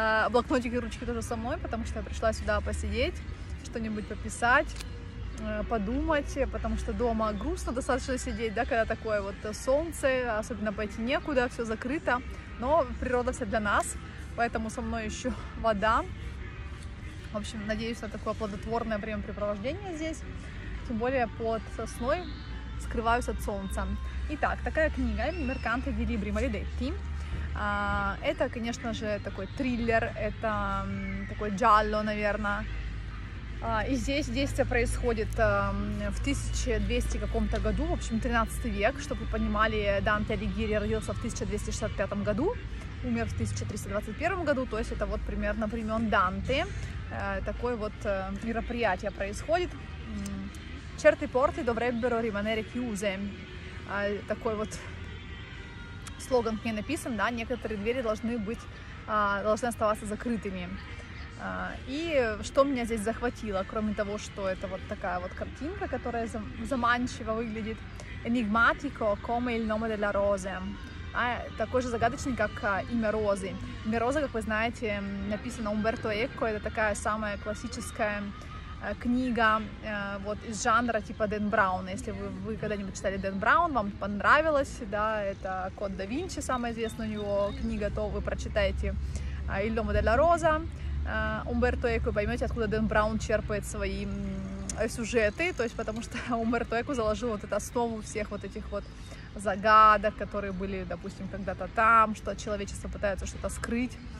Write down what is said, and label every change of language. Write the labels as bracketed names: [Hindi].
[Russian] Блокнотики и ручки тоже со мной, потому что я пришла сюда посидеть, что-нибудь пописать, подумать, потому что дома грустно достаточно сидеть, да, когда такое вот солнце, особенно пойти некуда, все закрыто, но природа вся для нас, поэтому со мной еще вода. В общем, надеюсь на такое плодотворное времяпрепровождение здесь, тем более под сосной скрываюсь от солнца. Итак, такая книга «Mercante di libri maledetti». Это, конечно же, такой триллер, это такой джалло, наверное. И здесь действие происходит в 1200 каком-то году, в общем, 13 век, чтобы вы понимали, Данте Алигьери родился в 1265 году, умер в 1321 году, то есть это вот примерно времен Данте. Такое вот мероприятие происходит. [Italian] Certe porte dovrebbero rimanere chiuse. [Russian] Такой вот слоган к ней написан, да, некоторые двери должны оставаться закрытыми. И что меня здесь захватило, кроме того, что это вот такая вот картинка, которая заманчиво выглядит. [Italian] Enigmatico come il nome della rose. [Russian] Такой же загадочный, как имя розы. Имя розы, как вы знаете, написано Умберто Эко, это такая самая классическая книга вот из жанра типа Дэн Браун. Если вы когда-нибудь читали Дэн Браун, вам понравилось, да, это Код да Винчи, самая известная у него книга, то вы прочитаете Il Nome della Rosa, Умберто Эко, и поймете, откуда Дэн Браун черпает свои сюжеты, то есть потому что Умберто Эко заложил вот эту основу всех вот этих вот загадок, которые были, допустим, когда-то там, что человечество пытается что-то скрыть.